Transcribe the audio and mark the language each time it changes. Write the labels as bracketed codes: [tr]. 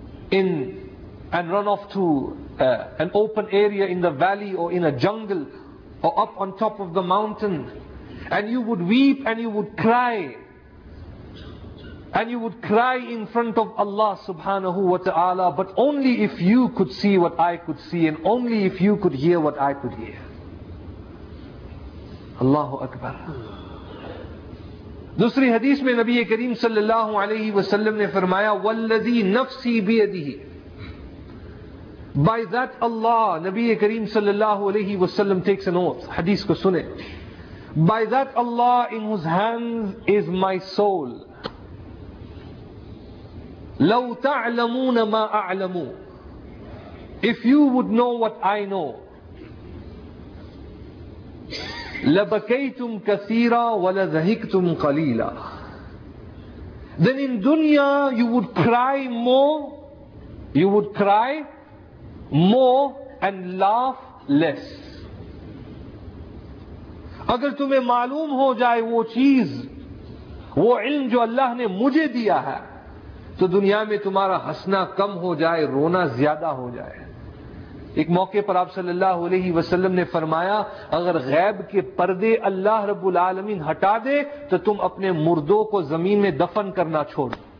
[en] in and run off to an open area in the valley or in a jungle or up on top of the mountain, and you would weep and you would cry, and you would cry in front of Allah subhanahu wa ta'ala, but only if you could see what I could see and only if you could hear what I could hear. [ar] اللہ اکبر. [ur] دوسری حدیث میں نبی کریم صلی اللہ علیہ وسلم نے فرمایا [ar] والذی نفسی بیدہ, [en] By that Allah, Nabi Kareem sallallahu alayhi wa sallam takes an oath. [ur] Hadith ko sunay. [en] By that Allah in whose hands is my soul. [ar] لَوْ تَعْلَمُونَ مَا أَعْلَمُ. [en] If you would know what I know. [ar] لَبَكَيْتُمْ كَثِيرًا وَلَذَهِكْتُمْ قَلِيلًا. [en] Then in dunya you would cry more, you would cry more and laugh less. [ur] اگر تمہیں معلوم ہو جائے وہ چیز, وہ علم جو اللہ نے مجھے دیا ہے, تو دنیا میں تمہارا ہسنا کم ہو جائے, رونا زیادہ ہو جائے. ایک موقع پر آپ صلی اللہ علیہ وسلم نے فرمایا, اگر غیب کے پردے اللہ رب العالمین ہٹا دے تو تم اپنے مردوں کو زمین میں دفن کرنا چھوڑ.